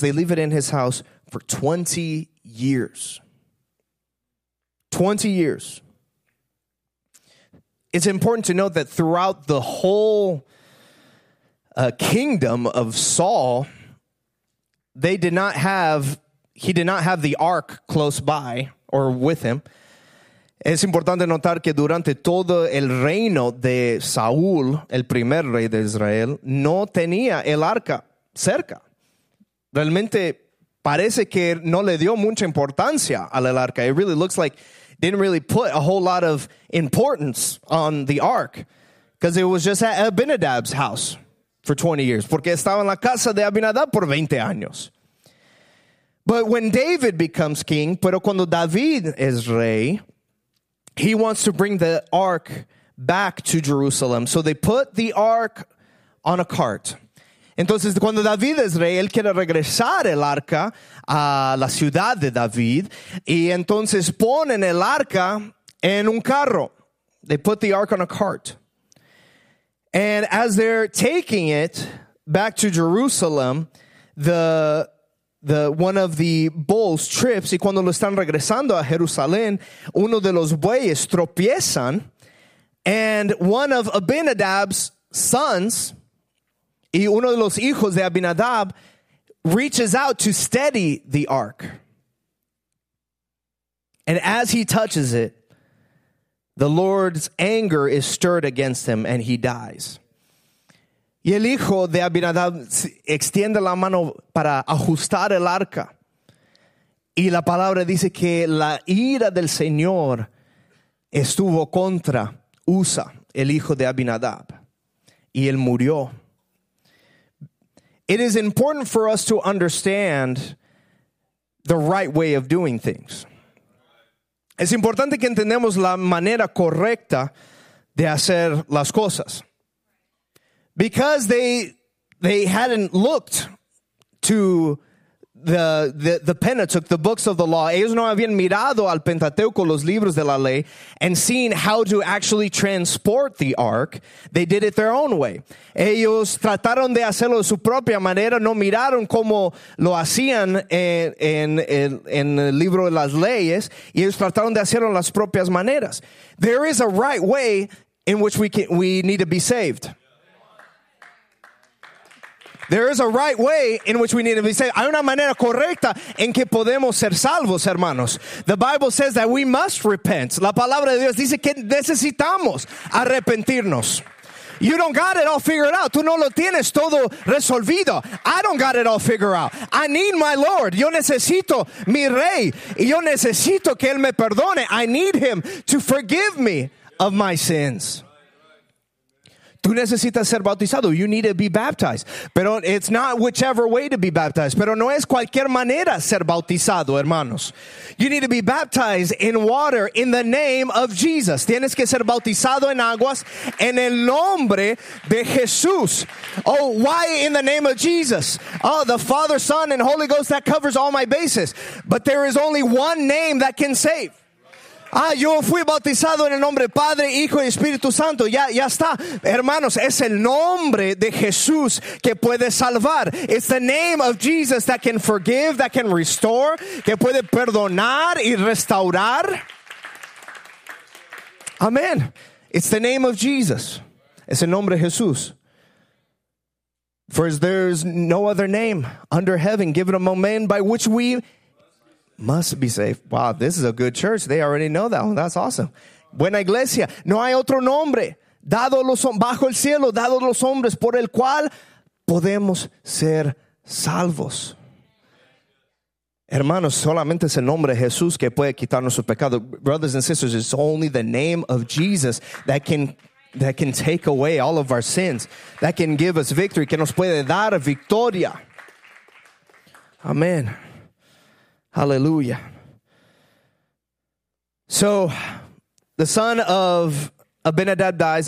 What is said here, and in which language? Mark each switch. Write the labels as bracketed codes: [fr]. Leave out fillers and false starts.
[en] They leave it in his house for 20 years. 20 years. it's important to note that throughout the whole kingdom of Saul, they did not have, he did not have the ark close by or with him. [es] Es importante notar que durante todo el reino de Saúl, el primer rey de Israel, no tenía el arca cerca. Realmente parece que no le dio mucha importancia al arca. [en] It really looks like didn't really put a whole lot of importance on the ark because it was just at Abinadab's house for 20 years. [es] Porque estaba en la casa de Abinadab por 20 años. [en] But when David becomes king, [es] pero cuando David es rey, [en] he wants to bring the ark back to Jerusalem. So they put the ark on a cart. [es] Entonces, cuando David es rey, él quiere regresar el arca a la ciudad de David. Y entonces ponen el arca en un carro. [en] They put the ark on a cart. And as they're taking it back to Jerusalem, the one of the bulls trips. [es] Y cuando lo están regresando a Jerusalén, uno de los bueyes tropiezan. [en] And one of Abinadab's sons, [es] y uno de los hijos de Abinadab, [en] reaches out to steady the ark. And as he touches it, the Lord's anger is stirred against him and he dies. [es] Y el hijo de Abinadab extiende la mano para ajustar el arca. Y la palabra dice que la ira del Señor estuvo contra Usa, el hijo de Abinadab. Y él murió. [en] It is important for us to understand the right way of doing things. [es] Es importante que entendamos la manera correcta de hacer las cosas. [en] Because they hadn't looked to the Pentateuch, the books of the law. [es] Ellos no habían mirado al Pentateuco, los libros de la ley, [en] and seen how to actually transport the ark. They did it their own way. [es] Ellos trataron de hacerlo de su propia manera. No miraron cómo lo hacían en el libro de las leyes. Y ellos trataron de hacerlo las propias maneras. [en] There is a right way in which we need to be saved. There is a right way in which we need to be saved. [es] Hay una manera correcta en que podemos ser salvos, hermanos. [en] The Bible says that we must repent. [es] La palabra de Dios dice que necesitamos arrepentirnos. [en] You don't got it all figured out. [es] Tú no lo tienes todo resolvido. [en] I don't got it all figured out. I need my Lord. [es] Yo necesito mi rey. Y yo necesito que él me perdone. [en] I need him to forgive me of my sins. [es] Tú necesitas ser bautizado. [en] You need to be baptized. Pero it's not whichever way to be baptized. [es] Pero no es cualquier manera ser bautizado, hermanos. [en] You need to be baptized in water in the name of Jesus. [es] Tienes que ser bautizado en aguas en el nombre de Jesús. [en] Oh, why in the name of Jesus? Oh, the Father, Son, and Holy Ghost, that covers all my bases. But there is only one name that can save. [es] Ah, yo fui bautizado en el nombre Padre, Hijo y Espíritu Santo. Ya está. Hermanos, es el nombre de Jesús que puede salvar. [en] It's the name of Jesus that can forgive, that can restore, [es] que puede perdonar y restaurar. [en] Amen. It's the name of Jesus. [es] Es el nombre de Jesús. [en] For there's no other name under heaven given among men by which we must be saved. Wow, this is a good church. They already know that. That's awesome. [es] Buena iglesia. No hay otro nombre dado los bajo el cielo, dado los hombres, por el cual podemos ser salvos. Hermanos, solamente es el nombre de Jesús que puede quitar nuestro pecado. [en] Brothers and sisters, it's only the name of Jesus that can take away all of our sins, that can give us victory, [es] que nos puede dar victoria. [en] Amen. Hallelujah. So, the son of Abinadab dies.